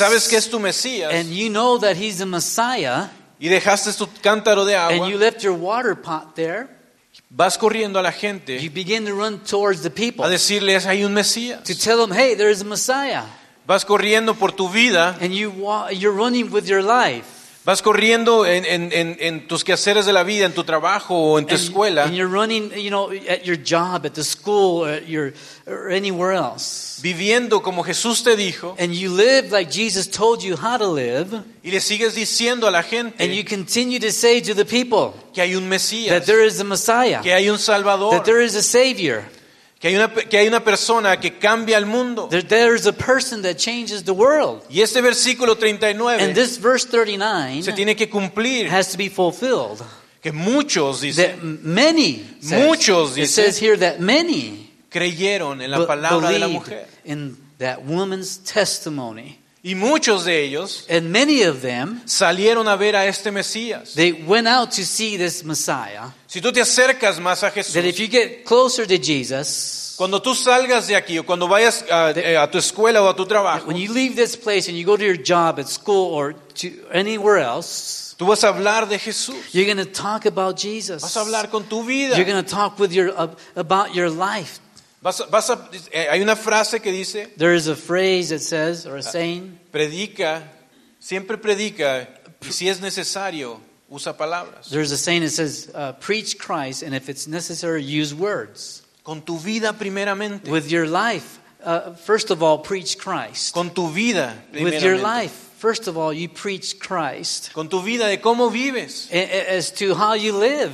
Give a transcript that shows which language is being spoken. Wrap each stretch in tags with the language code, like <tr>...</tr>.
<es>y sabes que es tu Mesías,</es> <en>and you know that he's the Messiah,</en> <es>y dejaste tu cántaro de agua,</es> <en>and you left your water pot there,</en> <es>vas corriendo a la gente,</es> <en>you begin to run towards the people,</en> <es>a decirles, hay un Mesías,</es> <en>to tell them, hey, there is a Messiah,</en> <es>vas corriendo por tu vida,</es> <en>and you're running with your life,</en> <es>vas corriendo en tus quehaceres de la vida, en tu trabajo o en tu escuela.</es> <en>And you're running, you know, at your job, at the school, at your or anywhere else.</en> <es>Viviendo como Jesús te dijo.</es> <en>And you live like Jesus told you how to live.</en> <es>Y le sigues diciendo a la gente.</es> <en>And you continue to say to the people</en> <es>que hay un Mesías.</es> <en>That there is a Messiah.</en> <es>Que hay un Salvador.</es> <en>That there is a Savior.</en> <es>Que hay una persona que cambia el mundo.</es> <en>There is a person that changes the world.</en> <es>Y este versículo 39,</es> <en>and this verse 39</en> <es>se tiene que cumplir.</es> <en>Has to be fulfilled.</en> <es>Que muchos dicen.</es> <en>That many.</en> <es>Muchos dicen.</es> <en>It says here that many</en> <es>creyeron en la palabra de la mujer.</es> <en>In that woman's testimony.</en> <es>Y muchos de ellos,</es> <en>and many of them,</en> <es>salieron a ver a este Mesías.</es> <en>They went out to see this Messiah.</en> <es>Si tú te acercas más a Jesús,</es> <en>that if you get closer to Jesus,</en> <es>cuando tú salgas de aquí o cuando vayas a tu escuela o a tu trabajo,</es> <en>when you leave this place and you go to your job at school or to anywhere else,</en> <es>tú vas a hablar de Jesús.</es> <en>You're going to talk about Jesus.</en> <es>Vas a hablar con tu vida.</es> <en>You're going to talk with about your life.</en> <es>Hay una frase que dice,</es> <en>there is a phrase that says or a saying,</en> <es>predica, siempre predica, y si es necesario, usa palabras.</es> <en>There's a saying that says, preach Christ, and if it's necessary, use words.</en> <es>Con tu vida primeramente.</es> <en>With your life, first of all, preach Christ.</en> <es>Con tu vida primeramente.</es> <en>With your life, first of all, you preach Christ.</en> <es>Con tu vida, de cómo vives.</es> <en>As to how you live.</en>